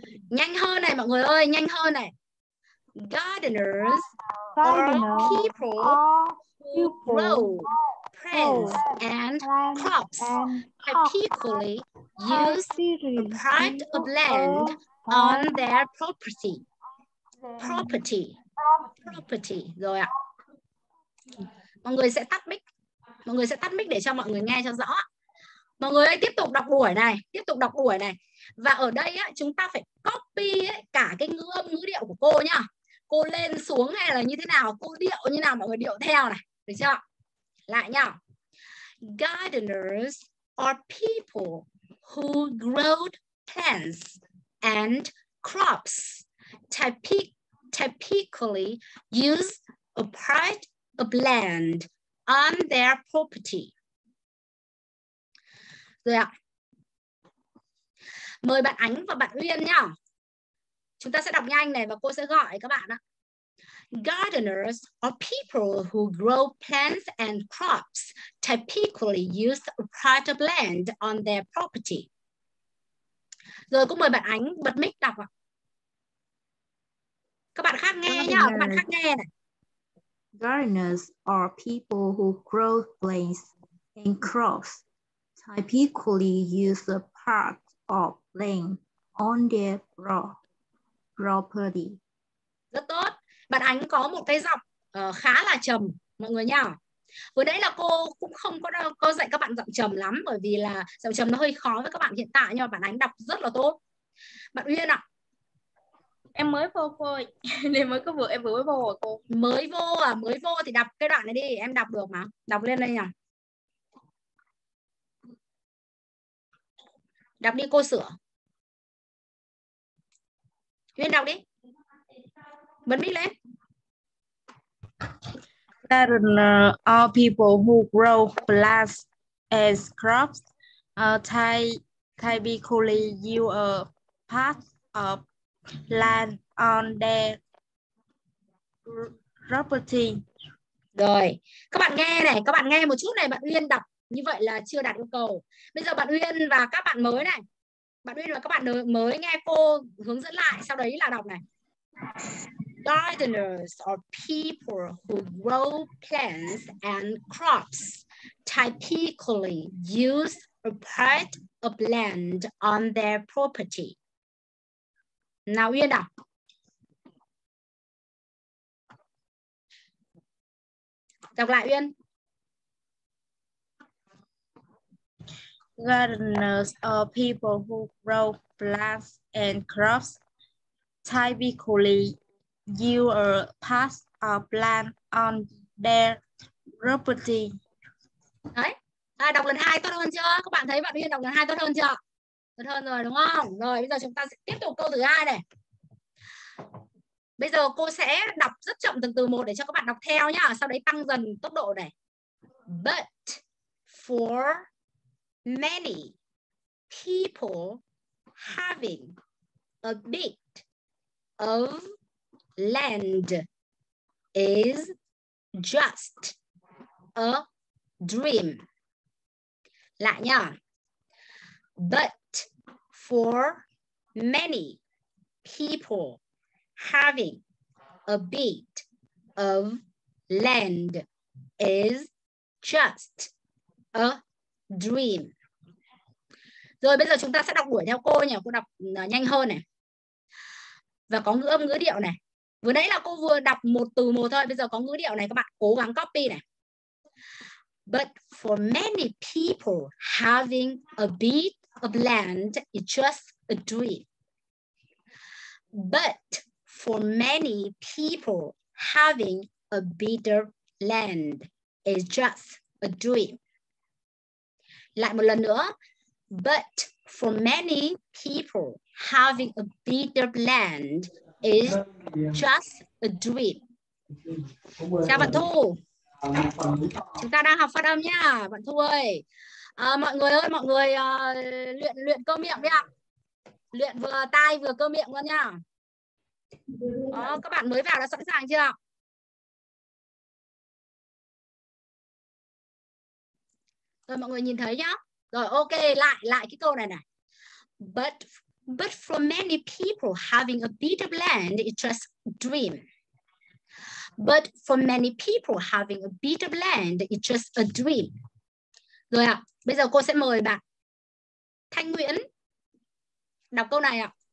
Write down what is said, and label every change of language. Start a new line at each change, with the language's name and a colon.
Vietnamese: Nhanh hơn này mọi người ơi, nhanh hơn này.
English: Gardeners are people who grow plants and crops typically use a part of land on their property.
Vietnamese: Property. Rồi ạ. Mọi người sẽ tắt mic để cho mọi người nghe cho rõ. Mọi người ơi, tiếp tục đọc buổi này. Và ở đây á, chúng ta phải copy ấy, cả cái ngữ âm ngữ điệu của cô nhá. Cô lên xuống hay là như thế nào, cô điệu như nào, mọi người điệu theo này, được chưa? Lại nhá.
English: Gardeners are people who grow plants and crops. Typically use a part of land on their property.
Vietnamese: Rồi ạ. Mời bạn Ánh và bạn Uyên nhá. Chúng ta sẽ đọc nhanh này và cô sẽ gọi các bạn ạ.
English: Gardeners are people who grow plants and crops, typically use part of land on their property.
Vietnamese: Rồi cô mời bạn Ánh bật mic đọc ạ. Các bạn khác nghe nhá, các bạn khác nghe này.
English: Gardeners are people who grow plants and crops, typically use a part of land on their property.
Vietnamese: Rất tốt. Bạn Ánh có một cái giọng khá là trầm, mọi người nhá. Vừa nãy là cô cũng không có đâu, cô dạy các bạn giọng trầm lắm bởi vì là giọng trầm nó hơi khó với các bạn hiện tại, nhưng mà bạn Ánh đọc rất là tốt. Bạn Uyên ạ. À, em mới vô thôi, nên mới có vừa em vừa mới vô rồi cô. Mới vô à, mới vô thì đọc cái đoạn này đi, em đọc được mà. Đọc lên đây nhỉ. Đọc đi cô sửa. Uyên đọc đi. Bật mic lên.
English: Gardeners are people who grow plants as crops. Typically use a part of land on their property.
Vietnamese: Rồi, các bạn nghe này, các bạn nghe một chút này, bạn Uyên đọc như vậy là chưa đạt yêu cầu. Bây giờ bạn Uyên và các bạn mới này, bạn Uyên và các bạn mới nghe cô hướng dẫn lại, sau đấy là đọc này.
English: Gardeners are people who grow plants and crops, typically use a part of land on their property.
Vietnamese: Nào Uyên đọc. Đọc lại Uyên.
English: Gardeners are people who grow plants and crops, typically you are part of land on their property.
Vietnamese: Đấy. À, đọc lần 2 tốt hơn chưa? Các bạn thấy bạn Uyên đọc lần 2 tốt hơn chưa? Tốt hơn rồi đúng không? Rồi bây giờ chúng ta sẽ tiếp tục câu thứ 2 này. Bây giờ cô sẽ đọc rất chậm từng từ một để cho các bạn đọc theo nhá, sau đấy tăng dần tốc độ này.
English: But for many people having a bit of land is just a dream.
Vietnamese: Lại nhá.
English: But for many people having a bit of land is just a dream.
Vietnamese: Rồi bây giờ chúng ta sẽ đọc đuổi theo cô nhỉ, cô đọc nhanh hơn này. Và có ngữ âm ngữ điệu này. Vừa nãy là cô vừa đọc một từ một thôi, bây giờ có ngữ điệu này, các bạn cố gắng copy này.
English: But for many people having a bit of land is just a dream. But for many people having a bit of land is just a dream.
Vietnamese: Lại một lần nữa. But for many people having a bit of land is just a dream. Chào bạn Thu. Chúng ta đang học phát âm nha, bạn Thu ơi. À, mọi người luyện cơ miệng đi ạ. Luyện vừa tai vừa cơ miệng luôn nha. Đó, các bạn mới vào đã sẵn sàng chưa? Rồi mọi người nhìn thấy nhá. Rồi ok, lại cái câu này này.
English: But for many people having a bit of land is just a dream. But for many people having a bit of land is just a dream.
Vietnamese: Rồi ạ, bây giờ cô sẽ mời bạn Thanh Nguyễn đọc câu này ạ.